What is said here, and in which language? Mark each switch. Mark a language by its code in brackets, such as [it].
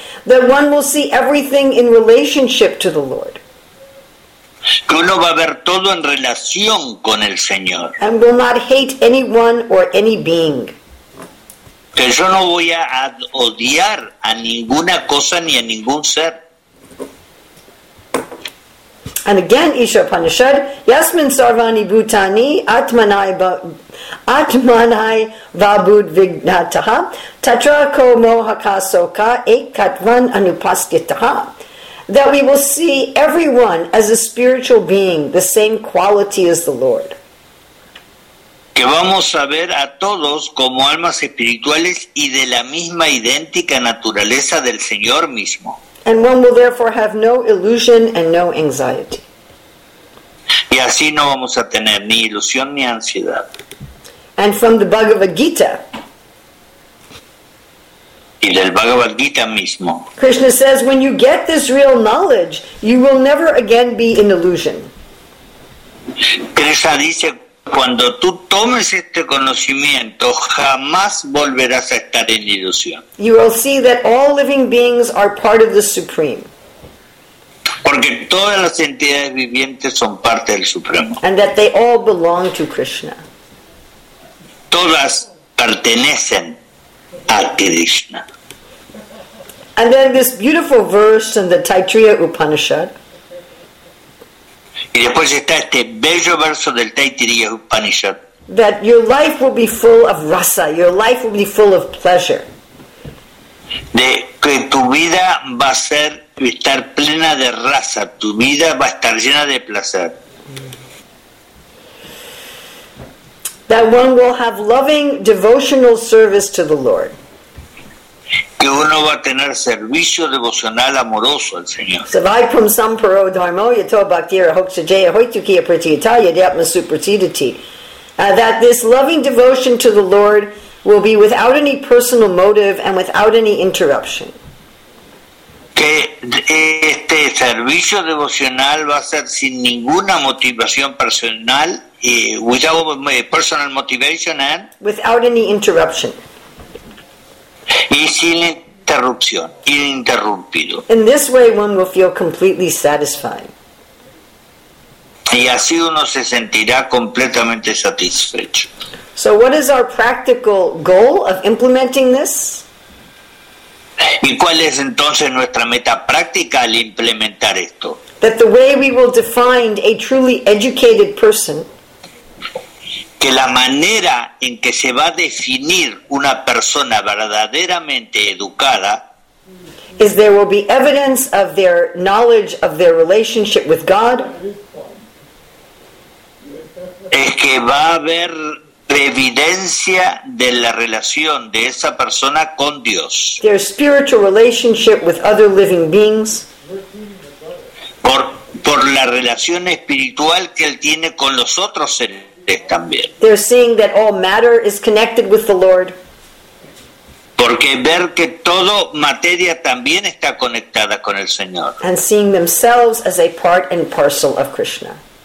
[en] That one will see everything in relationship to the Lord. [es] Que uno va a ver todo en relación con el Señor. [en] And will not hate anyone or any being. [es] Que yo no voy a odiar a ninguna cosa ni a ningún ser. [sa] And again, Isha Upanishad, Yasmin Sarvani Bhutani, Atmanai Vabud Vignataha, Tatra Ko Mohakasoka, Ekatvan Anupaskitaha. [en] That we will see everyone as a spiritual being, the same quality as the Lord. [es] Que vamos a ver a todos como almas espirituales y de la misma idéntica naturaleza del Señor mismo. [en] And one will therefore have no illusion and no anxiety. [es] Y así no vamos a tener ni ilusión ni ansiedad. [en] And from the Bhagavad Gita. [es] Y del Bhagavad Gita mismo. [en] Krishna says, when you get this real knowledge, you will never again be in illusion. [es] Krishna dice, cuando tú tomes este conocimiento, jamás volverás a estar en ilusión. [en] You will see that all living beings are part of the Supreme. [es] Porque todas las entidades vivientes son parte del Supremo. [en] And that they all belong to Krishna. [es] Todas pertenecen a Krishna. [en] And then this beautiful verse in the Taittiriya Upanishad. [es] Y después está este bello verso del Taittiriya Upanishad. [en] That your life will be full of rasa, your life will be full of pleasure. [es] De que tu vida va a ser estar plena de rasa, tu vida va a estar llena de placer. [en] That one will have loving devotional service to the Lord. [es] Que uno va a tener servicio devocional amoroso al Señor. [sa] Savai pum samparo dharmo yato bhaktira hoksa jaya hoitu kiya pratiyata yadyatma supratidati. [en] That this loving devotion to the Lord will be without any personal motive and without any interruption. [es] Que este servicio devocional va a ser sin ninguna motivación personal, [en] without personal motivation and... without any interruption. [es] Y sin interrupción, ininterrumpido. [en] In this way one will feel completely satisfied. [es] Y así uno se sentirá completamente satisfecho. [en] So what is our practical goal of implementing this? [es] ¿Y cuál es entonces nuestra meta práctica al implementar esto? [en] That the way we will define a truly educated person, [es] que la manera en que se va a definir una persona verdaderamente educada, [en] is there will be evidence of their knowledge of their relationship with God, [es] es que va a haber evidencia de la relación de esa persona con Dios. [en] Their spiritual relationship with other living beings. [es] Por la relación espiritual que él tiene con los otros seres también. [en] They're seeing that all matter is connected with the Lord. [es] Porque ver que todo materia también está conectada con el Señor. [en] And seeing themselves as a part and parcel of Krishna.